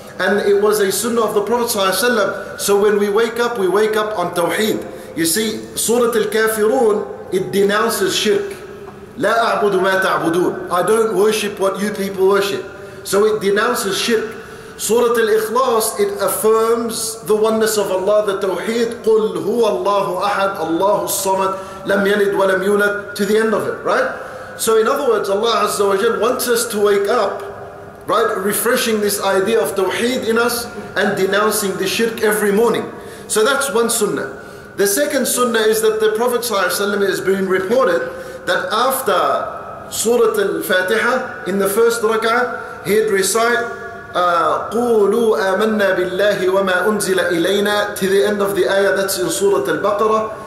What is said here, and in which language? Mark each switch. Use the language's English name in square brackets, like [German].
[English] And it was a sunnah of the Prophet ﷺ. So when we wake up on Tawheed. You see, Surah Al-Kafirun, it denounces shirk. [Arabic] لا أعبد ما تعبدون. [English] I don't worship what you people worship. So it denounces shirk. Surah Al-Ikhlas, it affirms the oneness of Allah, the Tawheed. [Arabic] قل هو الله أحد الله الصمد لم يلد ولم يولد, [English] to the end of it, right? So in other words, Allah Azza wa Jal wants us to wake up, right? Refreshing this idea of Tawheed in us and denouncing the shirk every morning. So that's one sunnah. The second sunnah is that the Prophet ﷺ has been reported that after Surah Al-Fatiha, in the first rak'ah, he'd recite [Arabic] قُولُوا آمَنَّا بِاللَّهِ وَمَا أُنزِلَ إِلَيْنَا, [English] to the end of the ayah, that's in Surah Al-Baqarah.